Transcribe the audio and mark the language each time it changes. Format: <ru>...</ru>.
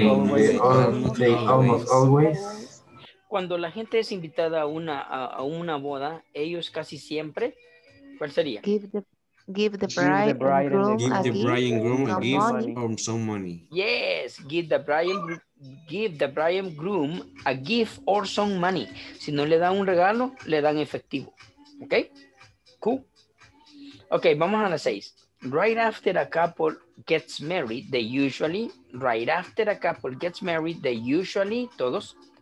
<en>When people are invited to a wedding, they almost always.</en> <es>Cuando la gente es invitada a una boda, ellos casi siempre, ¿cuál sería?</es> <en>Give the bride and groom a gift or some money. Yes, give the bride and give the bride and groom a gift or some money.</en> <es>Si no le dan un regalo, le dan efectivo. Okay? Cool. Okay, vamos a la seis.</es> <en>Right after a couple gets married, they usually, right after a couple gets married, they usually,</en> <es>todos.</es>